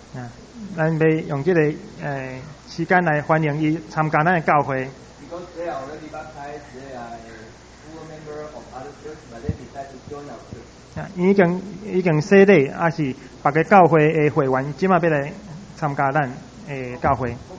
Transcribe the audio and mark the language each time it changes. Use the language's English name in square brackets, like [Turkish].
[Min Nan Chinese] Yeah, 咱要用这个时间来欢迎伊参加咱的教会。 [English] Because they are already baptized, they are full member of other church, but they decide to join our church. [Min Nan Chinese] 已经洗礼，也是别个教会的会员，即马要来参加咱的教会。